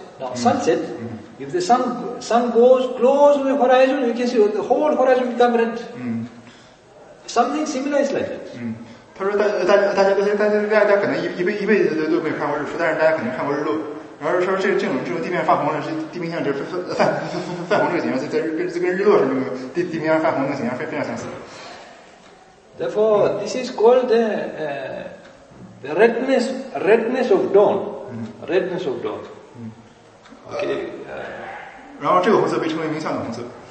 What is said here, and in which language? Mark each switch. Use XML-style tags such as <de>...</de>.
<en>Now sunset, if the sun goes close to the horizon, you can see the whole horizon become red. Something similar is like that.</en> <zh>他说大家可能一辈子都没有看过日出，但是大家肯定看过日落。然后说这种地面泛红的是地平线这泛红这个景象，就跟日落是那个地平线泛红的景象非常相似。</zh> <en>Therefore, this is called the redness of dawn. Redness of dawn. Okay.</en> <zh>然后这个红色被称为明相的红色。</zh>